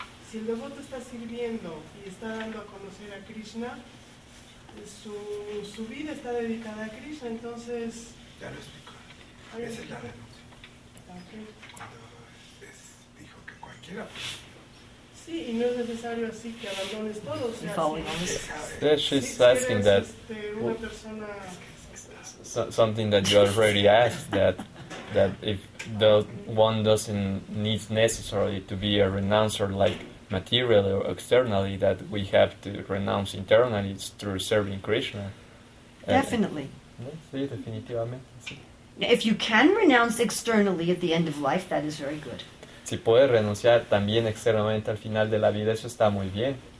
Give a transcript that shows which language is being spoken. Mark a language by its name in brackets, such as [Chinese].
[Spanish] Si el devoto está sirviendo y está dando a conocer a Krishna, su vida está dedicada a Krishna, entonces... Ya lo explicó. Esa es la renuncia. [English] Okay. [Spanish] Cuando dijo que cualquiera... Sí, y no es necesario así que abandones todo, o sea, [English] she's asking [Spanish] si quieres, [English] that... [Spanish] una persona... [English] Something that you already asked, that if the one doesn't need necessarily to be a renouncer, like materially or externally, that we have to renounce internally through serving Krishna. Definitely. [Spanish] Sí, definitivamente. [English] If you can renounce externally at the end of life, that is very good. [Spanish] Si puede renunciar también externamente al final de la vida, eso está muy bien.